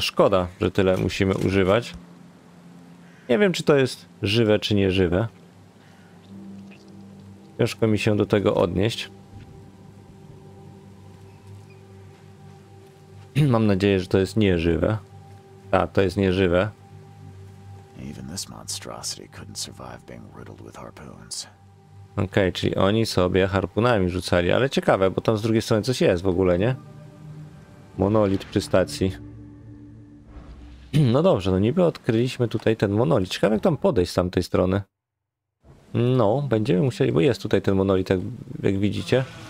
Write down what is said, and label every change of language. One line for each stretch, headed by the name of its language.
Polish: Szkoda, że tyle musimy używać. Nie wiem, czy to jest żywe, czy nieżywe. Ciężko mi się do tego odnieść. Mam nadzieję, że to jest nieżywe. Tak, to jest nieżywe.
English: Even this monstrosity couldn't survive being riddled with harpoons.
Polish: Okej, czyli oni sobie harpunami rzucali, ale ciekawe, bo tam z drugiej strony coś jest w ogóle, nie? Monolit przy stacji. No dobrze, no niby odkryliśmy tutaj ten monolit. Ciekawe, jak tam podejść z tamtej strony. No, będziemy musieli, bo jest tutaj ten monolit, jak widzicie.